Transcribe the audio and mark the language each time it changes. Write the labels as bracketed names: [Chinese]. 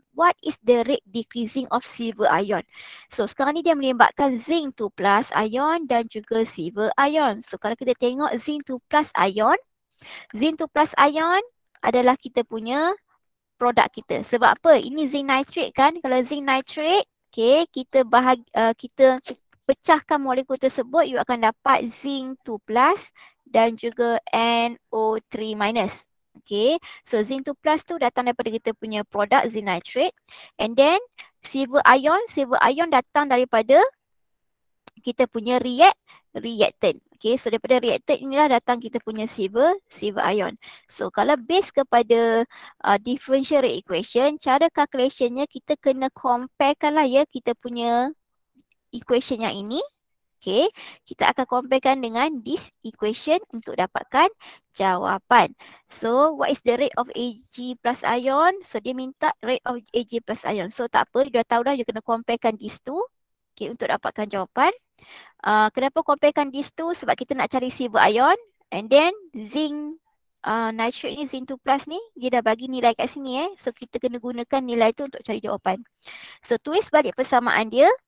[English] What is the rate decreasing of silver ion? [Malay] So sekarang ni dia melibatkan zinc 2 plus ion dan juga silver ion. So kalau kita tengok zinc 2 plus ion, zinc 2 plus ion adalah kita punya produk kita. Sebab apa? Ini zinc nitrate kan? Kalau zinc nitrate, okay, kita bahagi, kita pecahkan molekul tersebut, you akan dapat zinc 2 plus dan juga NO3 minus. Okay, so zinc 2 plus tu datang daripada kita punya produk zinc nitrate. And then silver ion datang daripada kita punya reactant. Okay, so daripada reactant inilah datang kita punya silver ion. So kalau based kepada differential rate equation, cara calculationnya kita kena comparekan lah ya kita punya equation yang ini. Okay, kita akan comparekan dengan this equation untuk dapatkan jawapan. [English] So, what is the rate of Ag plus ion? [Malay] So, dia minta rate of Ag plus ion. So, tak apa, you dah tahu dah, you kena comparekan this two. Okay, untuk dapatkan jawapan. Kenapa comparekan this two? Sebab kita nak cari silver ion. And then, zinc nitrate ni, zinc 2 plus ni, dia dah bagi nilai kat sini eh. So, kita kena gunakan nilai tu untuk cari jawapan. So, tulis balik persamaan dia.